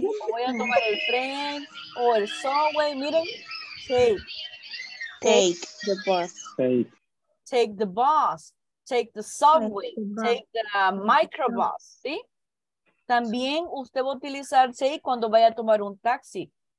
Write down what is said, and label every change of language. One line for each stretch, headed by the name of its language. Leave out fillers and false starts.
Spanish: Voy a tomar el tren o el subway. Miren,
English: take the bus, take the subway, take the microbus.
Spanish: ¿Sí? También usted va a utilizar take cuando vaya a tomar un taxi.